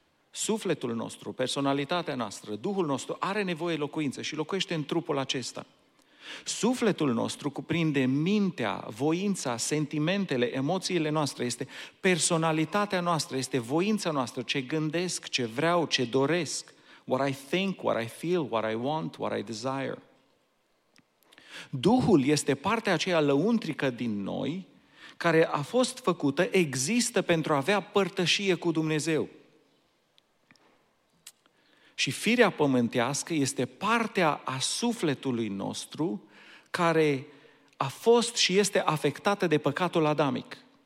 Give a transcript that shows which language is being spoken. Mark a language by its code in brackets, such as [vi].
[ro] Sufletul nostru, personalitatea noastră, Duhul nostru are nevoie locuință și locuiește în trupul acesta. Sufletul nostru cuprinde mintea, voința, sentimentele, emoțiile noastre, este personalitatea noastră, este voința noastră, ce gândesc, ce vreau, ce doresc. [en] What I think, what I feel, what I want, what I desire. [ro] Duhul este partea aceea lăuntrică din noi, care a fost făcută, există pentru a avea părtășie cu Dumnezeu. Și firea pământească este partea a sufletului nostru care a fost și este afectată de păcatul adamic.